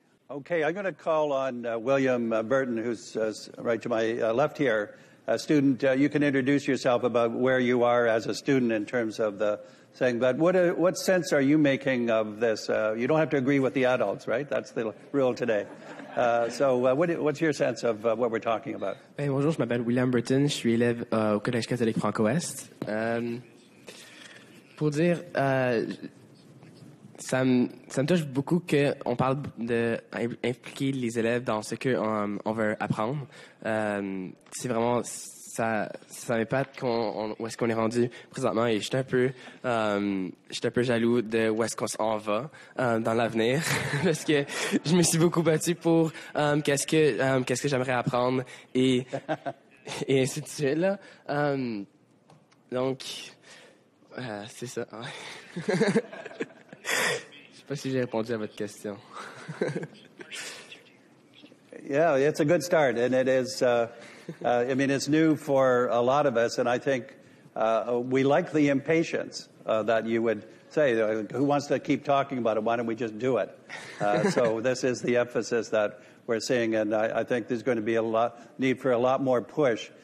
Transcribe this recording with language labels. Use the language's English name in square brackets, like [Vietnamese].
[English] Okay, I'm going to call on William Burton, who's right to my left here. A student, you can introduce yourself about where you are as a student in terms of the thing, but what sense are you making of this? You don't have to agree with the adults, right? That's the rule today. What's your sense of what we're talking about? [French] Hey, bonjour, je m'appelle William Burton. Je suis élève au Collège catholique Franco-Ouest. Pour dire, ça me touche beaucoup qu'on parle d'impliquer les élèves dans ce qu'on veut apprendre. C'est vraiment, ça m'épate où est-ce qu'on est rendu présentement, et je suis un peu jaloux de où est-ce qu'on s'en va dans l'avenir, parce que je me suis beaucoup battu pour qu'est-ce que j'aimerais apprendre et ainsi de suite là. Donc, c'est ça. Je sais pas si j'ai répondu à votre question. [English] Yeah, it's a good start, and it is, I mean, it's new for a lot of us, and I think we like the impatience that you would say, who wants to keep talking about it? Why don't we just do it? So this is the emphasis that we're seeing, and I think there's going to be a lot need for a lot more push.